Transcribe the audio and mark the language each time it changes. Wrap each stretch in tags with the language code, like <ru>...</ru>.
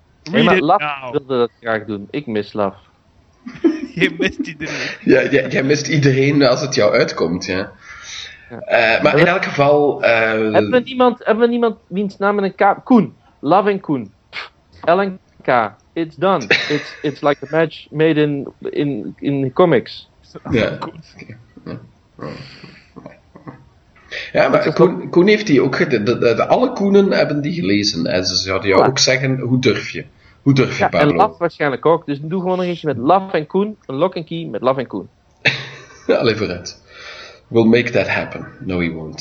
<nl>Nee, maar Laf wilde dat graag doen. Ik mis Laf. Je mist iedereen. Jij mist iedereen als het jou uitkomt, ja. Maar in elk geval... Hebben we niemand wiens naam in een K... Koen. Love en Koen. L en K.</nl> <en>It's done. It's like a match made in comics.</en> <nl>Ja, maar Koen heeft die ook... alle Koenen hebben die gelezen. En ze zouden jou ook zeggen, hoe durf je? Hoe durf je, Pablo? En Laf waarschijnlijk ook. Dus doe gewoon nog eentje met Laf en Koen. Een Lok en Key met Laf en Koen. Allee, vooruit.</nl> <en>We'll make that happen. No, he won't.</en>